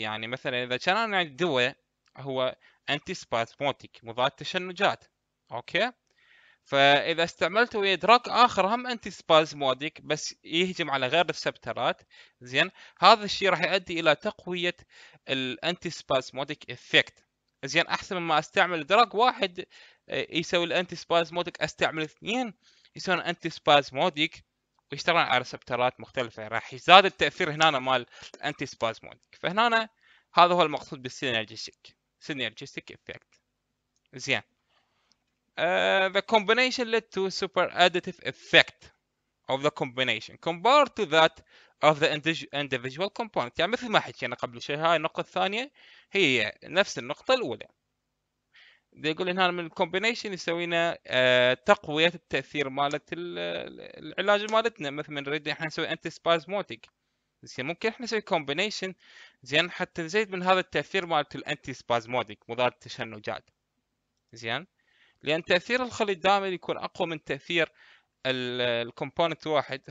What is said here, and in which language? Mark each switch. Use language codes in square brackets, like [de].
[ar] يعني مثلا اذا كان انا عندي دواء هو انتي سبازموتيك مضاد تشنجات، اوكي فاذا استعملته ويا دراج اخر هم انتي سبازموتيك بس يهجم على غير الريسبترات زين، هذا الشيء راح يؤدي الى تقويه الانتي سبازموتيك افكت زين، احسن مما استعمل دراج واحد يسوي الانتي سبازموتيك، استعمل اثنين يسوي الانتي سبازموتيك ويشتغل على ريسبترات مختلفه، راح يزداد التاثير هنا مال الانتي سبازموتيك. فهنا هذا هو المقصود بالسينرجيستيك، سينرجيستيك افكت زين. [en] The combination led to super additive effect of the combination compared to that of the individual component. [ar] يعني مثل ما حكينا قبل شوي هاي النقطه الثانيه هي نفس النقطه الاولى، يقول ان هذا من الكومبينيشن يسوي لنا تقويه التاثير مالت العلاج مالتنا، مثل ما نريد احنا نسوي انتي سبازموتيك زين، ممكن احنا نسوي كومبينيشن زين حتى نزيد من هذا التاثير مالت الانتي سبازموتيك مضاد التشنجات زين، لان تاثير الخليط دائما يكون اقوى من تاثير الكومبوننت واحد.